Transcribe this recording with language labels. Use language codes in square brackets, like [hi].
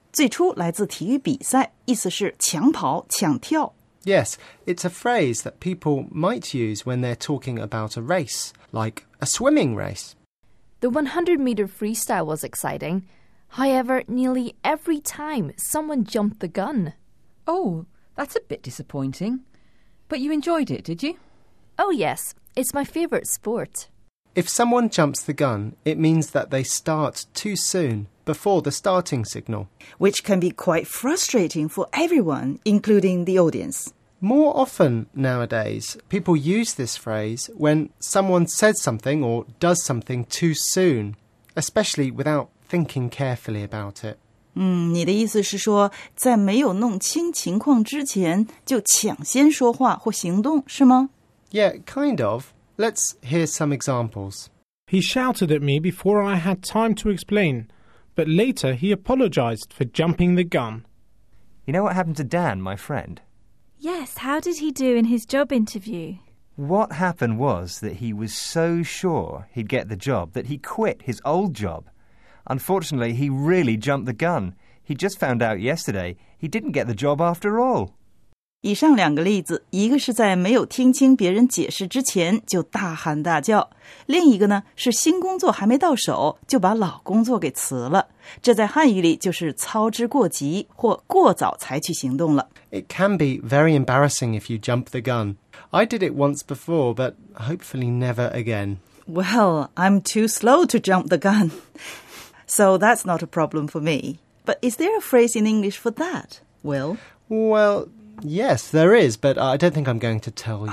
[zh] 最初来自体育比赛，意思是抢跑、抢跳。 [en] Yes, it's a phrase that people might use when they're talking about a race, like a swimming race. The 100-meter freestyle was exciting. However, nearly every time someone jumped the gun. Oh, that's a bit disappointing. But you enjoyed it, did you? Oh, yes. It's my favourite sport. If someone jumps the gun, it means that they start too soon, before the starting signal. Which can be quite frustrating for everyone, including the audience. More often nowadays, people use this phrase when someone says something or does something too soon, especially without thinking carefully about it. [zh] 你的意思是说在没有弄清情况之前就抢先说话或行动是吗 [en] Yeah, kind of. Let's hear some examples. He shouted at me before I had time to explain, but later he apologized for jumping the gun. You know what happened to Dan, my friend? Yes, how did he do in his job interview? What happened was that he was so sure he'd get the job that he quit his old job. Unfortunately, he really jumped the gun. He just found out yesterday he didn't get the job after all. [zh] 以上两个例子，一个是在没有听清别人解释之前就大喊大叫，另一个呢是新工作还没到手就把老工作给辞了。这在汉语里就是操之过急或过早采取行动了。 [en] It can be very embarrassing if you jump the gun. I did it once before, but hopefully never again. Well, I'm too slow to jump the gun. So that's not a problem for me. But is there a phrase in English for that, Will? Well, yes, there is, but I don't think I'm going to tell you.